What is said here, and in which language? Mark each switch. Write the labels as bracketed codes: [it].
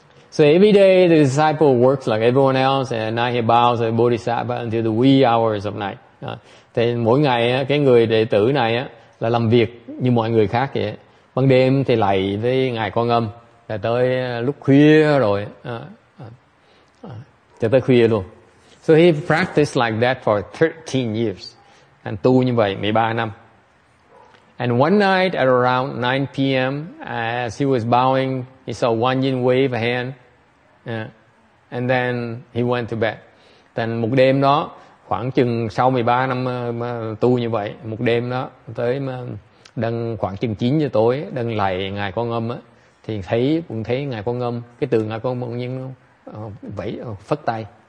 [en] So every day the disciple works like everyone else, and now he bows at Bodhisattva until the wee hours of night. [vi] Thì mỗi ngày cái người đệ tử này là làm việc như mọi người khác vậy. Ban đêm thì lạy với ngài Quan Âm là tới lúc khuya rồi, cho tới khuya luôn. [en] So he practiced like that for 13 years, and [vi] tu như vậy 13 năm. [en] And one night at around 9 p.m., as he was bowing, he saw Wan Yin wave a hand, and then he went to bed. [vi] Then một đêm đó, khoảng chừng sau 13 năm tu như vậy, một đêm đó, tới mà đang khoảng chừng 9 giờ tối, đang lạy ngài Quan Âm, thì thấy ngài Quan Âm, cái tượng ngài Quan Âm nhiên vẫy phất tay.